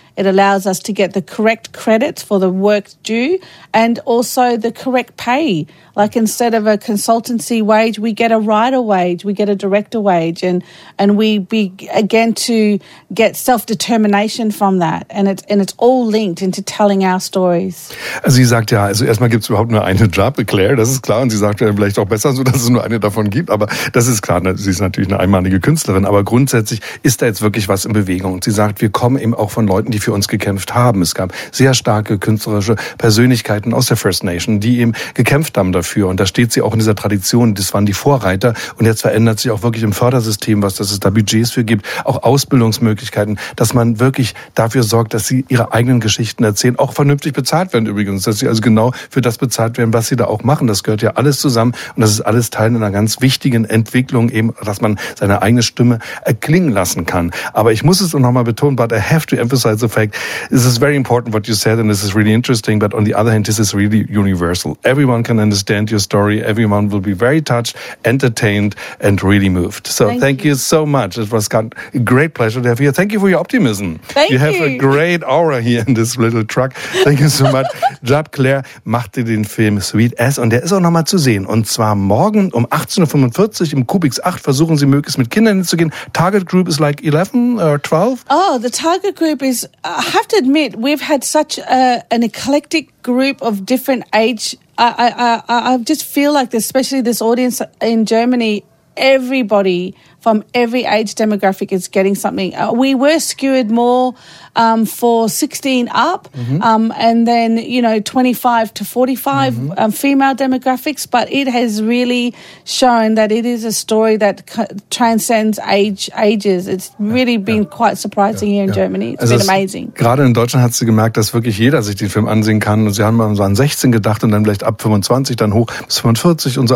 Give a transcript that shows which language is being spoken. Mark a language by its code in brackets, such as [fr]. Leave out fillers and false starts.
[en] It allows us to get the correct credits for the work due and also the correct pay. Like instead of a consultancy wage, we get a writer wage, we get a director wage, and we begin to get self-determination from that. And it's all linked into telling our stories. [de] Also sie sagt ja, also erstmal gibt es überhaupt nur eine Job, Claire, das ist klar. Und sie sagt ja vielleicht auch besser so, dass es nur eine davon gibt. Aber das ist klar, sie ist natürlich eine einmalige Künstlerin. Aber grundsätzlich ist da jetzt wirklich was in Bewegung. Sie sagt, wir kommen eben auch von Leuten, die für uns gekämpft haben. Es gab sehr starke künstlerische Persönlichkeiten aus der First Nation, die eben gekämpft haben dafür. Und da steht sie auch in dieser Tradition. Das waren die Vorreiter. Und jetzt verändert sich auch wirklich im Fördersystem was, dass es da Budgets für gibt, auch Ausbildungsmöglichkeiten, dass man wirklich dafür sorgt, dass sie ihre eigenen Geschichten erzählen, auch vernünftig bezahlt werden übrigens, dass sie also genau für das bezahlt werden, was sie da auch machen. Das gehört ja alles zusammen. Und das ist alles Teil einer ganz wichtigen Entwicklung, eben, dass man seine eigene Stimme erklingen lassen kann. Aber ich muss es noch mal betonen, [en] but I have to emphasize the fact, this is very important what you said and this is really interesting, but on the other hand, this is really universal. Everyone can understand your story. Everyone will be very touched, entertained, and really moved. So thank you so much. It was a great pleasure to have you. Thank you for your optimism. Thank you. You have a great aura here in this little truck. Thank you so much. [de] Job Claire machte den Film Sweet Ass und der ist auch nochmal zu sehen. Und zwar morgen um 18.45 Uhr im Kubix 8. Versuchen Sie möglichst mit Kindern hinzugehen. [en] Target Group is like 11 or 12? Oh, the Target Group is, I have to admit, we've had such an eclectic group of different age. I just feel like this, especially this audience in Germany, everybody from every age demographic is getting something. We were skewed more for 16 up, mm-hmm. And then, you know, 25 to 45 mm-hmm. Female demographics, but it has really shown that it is a story that transcends ages. It's really been quite surprising here in Germany. It's been amazing. [de] Gerade in Deutschland hat sie gemerkt, dass wirklich jeder sich den Film ansehen kann. Und sie haben mal so an 16 gedacht und dann vielleicht ab 25, dann hoch bis 45 und so.